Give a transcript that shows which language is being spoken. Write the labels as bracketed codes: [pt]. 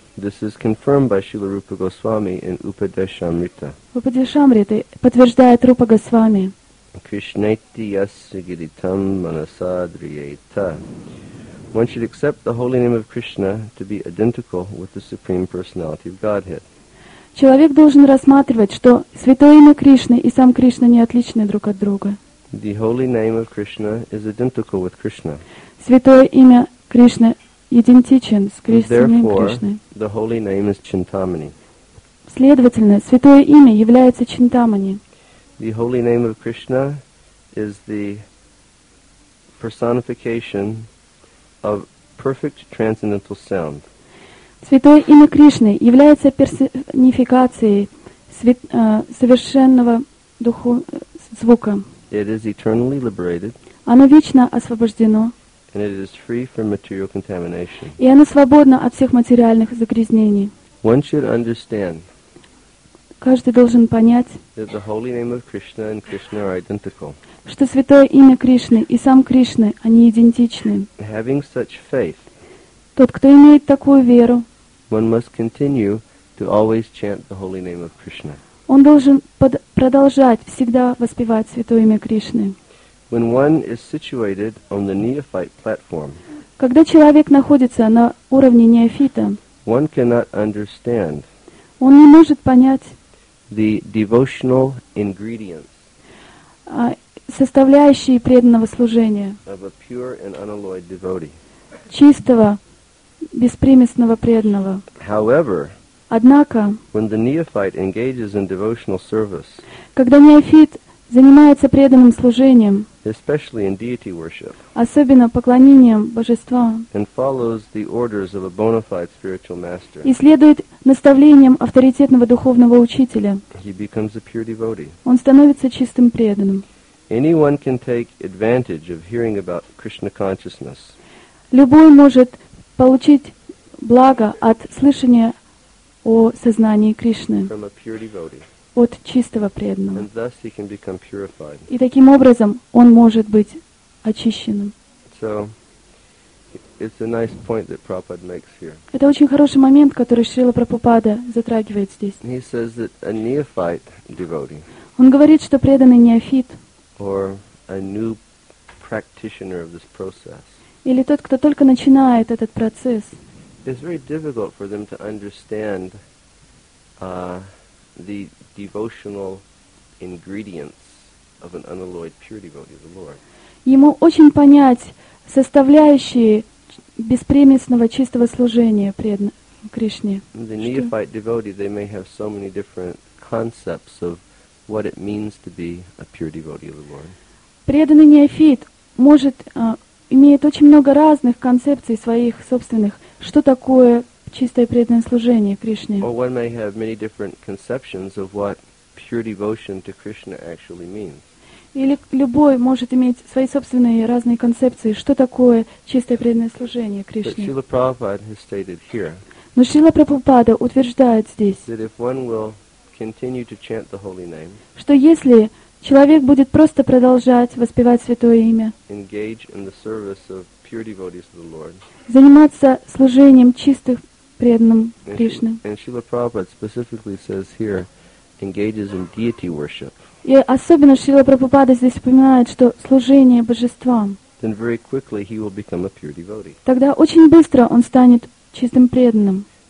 [en] This is confirmed by Srila Rupa Goswami in Upadeshamrita. [ru] Upadeshamrita подтверждает Рупа Госвами. [sa] Krishnaiti yasya giritam manasadriyeta. [en] One should accept the holy name of Krishna to be identical with the Supreme Personality of Godhead. [ru] Человек должен рассматривать, что святое имя Кришны и сам Кришна не отличны друг от друга. [en] The holy name of Krishna is identical with Krishna. [ru] Святое имя Кришны идентичен с Кришной. [en] The holy name is Chintamani. [ru] Следовательно, святое имя является Чинтамани. [en] The holy name of Krishna is the personification of perfect transcendental sound. [ru] Святое имя Кришны является персонификацией совершенного духу звука. [en] It is eternally liberated. [ru] Оно вечно освобождено. [en] And it is free from material contamination. [ru] И оно свободно от всех материальных загрязнений. [en] One should understand. [ru] Каждый должен понять. [en] That the holy name of Krishna and Krishna are identical. [ru] Что святое имя Кришны и сам Кришна, они идентичны. [en] Having such faith. [ru] Тот, кто имеет такую веру. [en] One must continue to always chant the holy name of Krishna. [ru] Он должен продолжать всегда воспевать святое имя Кришны. [en] When one is situated on the neophyte platform, [ru] когда человек находится на уровне неофита, [en] one cannot understand, [ru] он не может понять, [en] the devotional ingredients, [ru] составляющие преданного служения, [en] of a pure and unalloyed devotee, [ru] чистого, беспримесного преданного. [en] However, [ru] однако, [en] when the neophyte engages in devotional service, [ru] когда неофит занимается преданным служением, [en] especially in deity worship, [ru] особенно поклонением божествам, [en] and follows the orders of a bona fide spiritual master, [ru] и следует наставлениям авторитетного духовного учителя, [en] he becomes a pure devotee. [ru] Он становится чистым преданным. [en] Anyone can take advantage of hearing about Krishna consciousness. [ru] Любой может получить благо от слышания о сознании Кришны. [en] From a pure devotee. [ru] От чистого преданного. [en] And thus he can become purified. [ru] И таким образом он может быть очищенным. [en] So, it's a nice point that Prabhupada makes here. [ru] Это очень хороший момент, который Шрила Прабхупада затрагивает здесь. [en] He says that a neophyte devotee, [ru] он говорит, что преданный неофит, [en] or a new practitioner of this process, [ru] или тот, кто только начинает этот процесс, [en] it's very difficult for them to understand the devotional ingredients of an unalloyed pure devotee of the Lord. [ru] Ему очень понять составляющие беспримесного чистого служения Кришне. [en] The neophyte devotee, they may have so many different concepts of what it means to be a pure devotee of the Lord. [ru] Преданный неофит может имеет очень много разных концепций своих собственных, что такое чистое преданное служение Кришне. [en] Or one may have many different conceptions of what pure devotion to Krishna actually means. [ru] Или любой может иметь свои собственные разные концепции, что такое чистое преданное служение Кришне. [en] But Srila Prabhupada has stated here. [ru] Но Шрила Прабхупада утверждает здесь. [en] That if one will continue to chant the holy name. [ru] Что если человек будет просто продолжать воспевать святое имя. [en] Engage in the service of pure devotees of the Lord. [ru] Заниматься служением чистых преданным Кришне. [en] And Srila Prabhupada specifically says here, engages in deity worship. [ru] И особенно Шрила Прабхупада здесь упоминает, что служение божествам. [en] then very quickly he will become a pure devotee. [ru] Тогда очень быстро он станет чистым преданным.